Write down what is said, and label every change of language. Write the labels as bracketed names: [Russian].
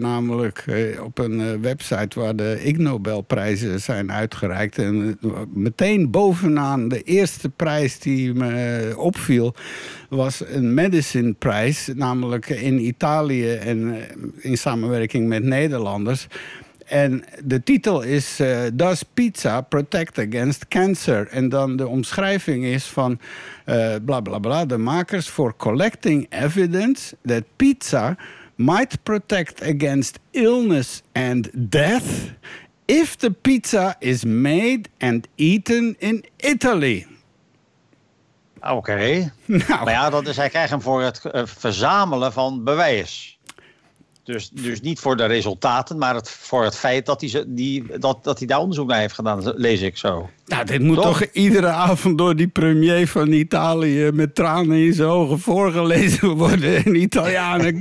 [Dutch] Namelijk op een website waar de Ig Nobelprijzen zijn uitgereikt. En meteen bovenaan de eerste prijs die me opviel was een medicine prijs. Namelijk in Italië en in samenwerking met Nederlanders. En de titel is [English] Does Pizza Protect Against Cancer? [Dutch] En dan de omschrijving is van de makers [English] for collecting evidence that pizza might protect against illness and death if the pizza is made and eaten in Italy. [Dutch] Oké. Nou. Maar ja, dat is eigenlijk voor het verzamelen van bewijs. Dus niet voor de resultaten, maar voor het feit dat hij daar onderzoek naar heeft gedaan, lees ik zo. Nou, dit moet toch iedere avond door die premier van Italië met tranen in zijn ogen voorgelezen worden in Italianen.